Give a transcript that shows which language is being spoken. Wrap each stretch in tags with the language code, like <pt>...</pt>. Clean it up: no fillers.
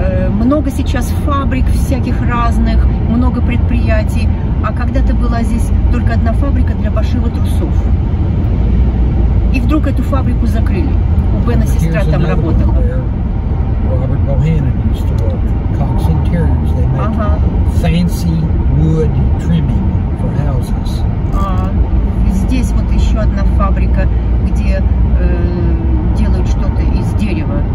<ru>Много сейчас фабрик всяких разных, много предприятий. А когда-то была здесь только одна фабрика для пошива трусов. И вдруг эту фабрику закрыли. У Бена сестра там работала.</ru> <en>Robert Bohannon used to work for Cox Interiors. They make fancy wood trimming for houses.</en> <ru>Здесь вот еще одна фабрика, где делают что-то из дерева.</ru>